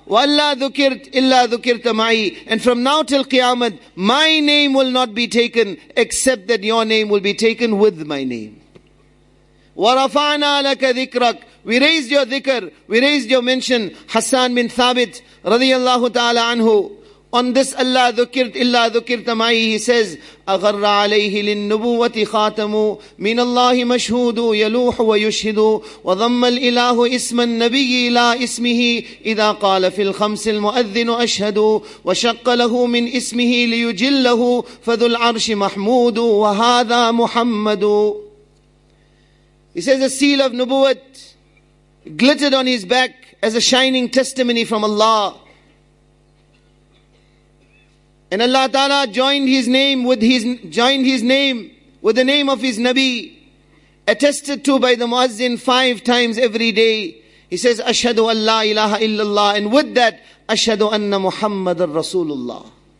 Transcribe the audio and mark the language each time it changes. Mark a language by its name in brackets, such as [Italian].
[Arabic] وَاللَّا ذُكِرْتْ إِلَّا ذُكِرْتَ مَعِي [English] And from now till Qiyamah, my name will not be taken except that your name will be taken with my name. [Arabic] وَرَفَعْنَا لَكَ ذِكْرَكْ [English] We raised your dhikr, we raised your mention. Hassan bin Thabit, radiyallahu ta'ala anhu. [Arabic] On this Allah ذُكِرْتْ إِلَّا ذُكِرْتَ مَعِي [English] He says, أَغَرَّ عَلَيْهِ لِلنُّبُوَّةِ خَاتَمُ مِنَ اللَّهِ مَشْهُودُ يَلُوحُ وَيُشْهِدُ وَضَمَّ الْإِلَهُ إِسْمَ النَّبِيِّ إِلَى إِسْمِهِ إِذَا قَالَ فِي الْخَمْسِ الْمُؤَذِّنُ أَشْهَدُ وَشَقَّ لَهُ مِنْ إِسْمِهِ لِيُجِلَّهُ فَذُو الْعَرْشِ مَحْمُودُ وَهَذَا مُحَمَّدُ He says, a seal of Nubuwat glittered on his back as a shining testimony from Allah. And Allah Ta'ala joined his name with the name of his Nabi, attested to by the Muazzin five times every day. He says, [Arabic] Ashhadu an la ilaha illallah. [English] And with that, [Arabic] Ashhadu anna Muhammadan Rasulullah.